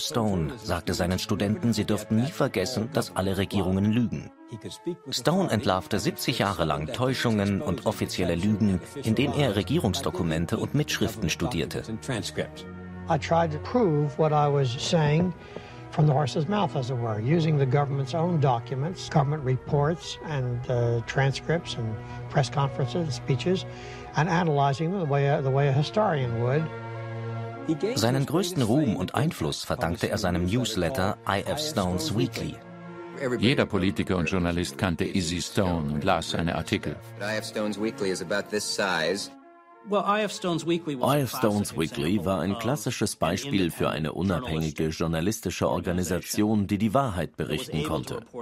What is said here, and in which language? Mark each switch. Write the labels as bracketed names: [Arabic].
[German] Stone, sagte seinen Studenten, sie dürften nie vergessen, dass alle Regierungen lügen. Stone entlarvte 70 Jahre lang Täuschungen und offizielle Lügen, indem er Regierungsdokumente und Mitschriften studierte. [English] I tried to prove what I was saying from the horse's mouth, as it were, using the government's own documents, government reports and transcripts and press conferences and speeches, and analyzing them the way a historian would. [German] Seinen größten Ruhm und Einfluss verdankte er seinem Newsletter I.F. Stone's Weekly. Jeder Politiker und Journalist kannte Izzy Stone und las seine Artikel. [English] I.F. Stone's Weekly is about this size. I.F. [German] Stone's Weekly war ein klassisches Beispiel für eine unabhängige journalistische Organisation, die die Wahrheit berichten konnte.